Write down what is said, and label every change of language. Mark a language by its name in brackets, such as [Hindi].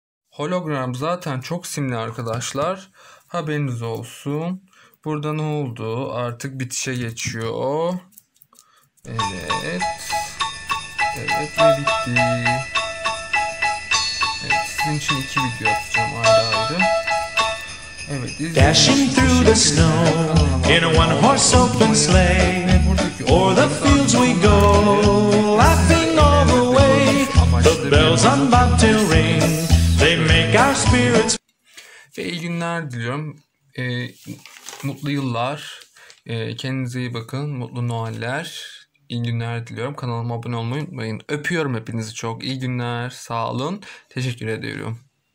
[Turkish] Hologram zaten çok simli arkadaşlar. Haberiniz olsun. Burada ne oldu? Artık bitişe geçiyor. Evet. Evet ve bitti. Evet, sizin için iki video atacağım ayrı ayrı. Evet, [English] dashing through the snow in a one horse open sleigh. O'er the fields we go laughing all the way. The bells on bobtail ring, they make our spirits. [Turkish] Ve iyi günler diliyorum. Mutlu yıllar. Kendinize iyi bakın. Mutlu Noeller. İyi günler diliyorum. Kanalıma abone olmayı unutmayın. Öpüyorum hepinizi çok. İyi günler. Sağ olun. Teşekkür ediyorum.